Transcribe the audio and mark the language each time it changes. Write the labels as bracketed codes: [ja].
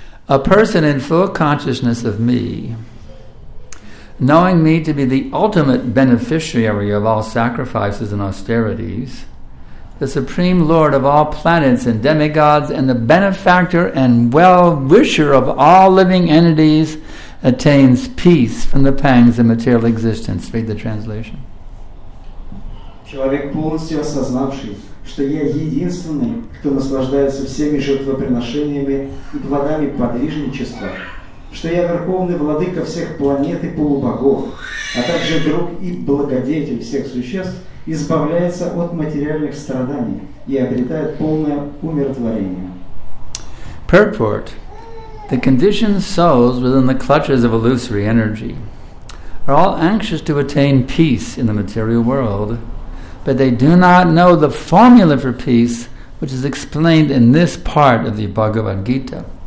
[en] A person in full consciousness of me, knowing me to be the ultimate beneficiary of all sacrifices and austerities, the Supreme Lord of all planets and demigods, and the benefactor and well-wisher of all living entities, attains peace from the pangs of material existence. Read the translation. [ru] Человек, полностью осознавший, что я единственный, кто наслаждается всеми жертвоприношениями и плодами подвижничества, что я верховный владыка всех планет и полубогов, а также друг и благодетель всех существ, избавляется от материальных страданий и обретает полное умиротворение. [en] Purport. The conditioned souls within the clutches of illusory energy are all anxious to attain peace in the material world, but they do not know the formula for peace, which is explained in this part of the Bhagavad Gita.